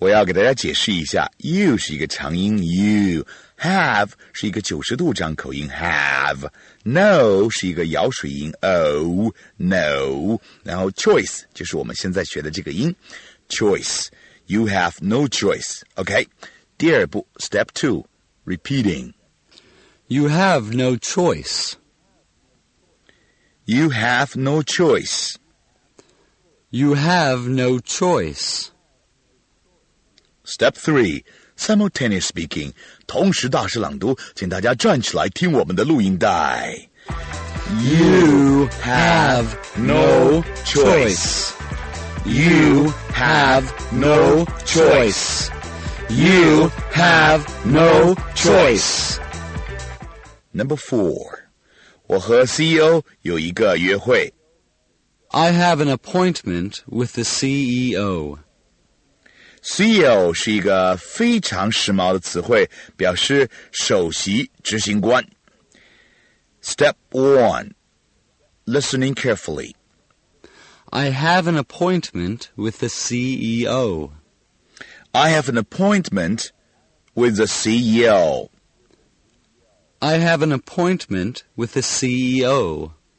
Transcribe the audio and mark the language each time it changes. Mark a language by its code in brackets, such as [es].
[zh] 我要给大家解释一下, you是一个长音, you. Have是一个90度张口音, have. No是一个咬水音, [en] oh, no. [zh] 然后choice就是我们现在学的这个音, choice. [en] You have no choice, okay? [zh] 第二步, [en] step two, repeating. You have no choice. You have no choice. You have no choice. Step 3, simultaneous speaking, [zh] 同时大声朗读，请大家站起来听我们的录音带。 [en] You have no choice. You have no choice. You have no choice. Number 4, [zh] 我和CEO有一个约会。 [en] I have an appointment with the CEO. [zh] CEO 是一个非常时髦的词汇, 表示首席执行官。 [en] Step 1, listening carefully. I have an appointment with the CEO. I have an appointment with the CEO. I have an appointment with the CEO.